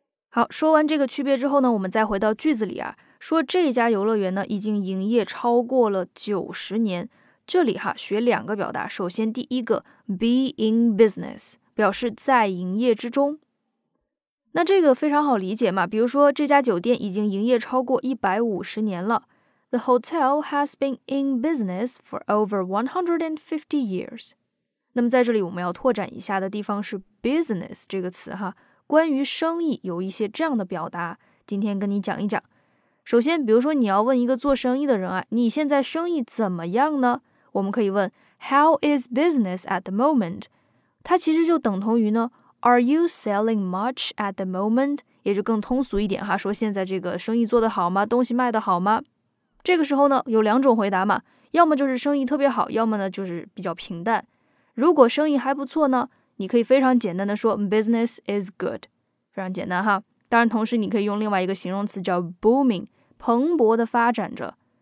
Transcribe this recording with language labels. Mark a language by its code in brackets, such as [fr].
[zh] 好，说完这个区别之后呢，我们再回到句子里啊，说这家游乐园呢已经营业超过了90年。这里哈学两个表达，首先第一个 be in business 表示在营业之中，那这个非常好理解嘛，比如说这家酒店已经营业超过150年了。 [en] The hotel has been in business for over 150 years. [zh] 那么在这里我们要拓展一下的地方是 business 这个词哈，关于生意有一些这样的表达，今天跟你讲一讲。首先比如说你要问一个做生意的人啊，你现在生意怎么样呢？我们可以问 [en] How is business at the moment? [zh] 它其实就等同于呢 [en] Are you selling much at the moment? [zh] 也就更通俗一点哈，说现在这个生意做得好吗？东西卖得好吗？这个时候呢，有两种回答嘛，要么就是生意特别好，要么呢就是比较平淡。如果生意还不错呢，你可以非常简单的说 [en] business is good， [zh] 非常简单哈。当然同时你可以用另外一个形容词叫 booming， 蓬勃的发展着。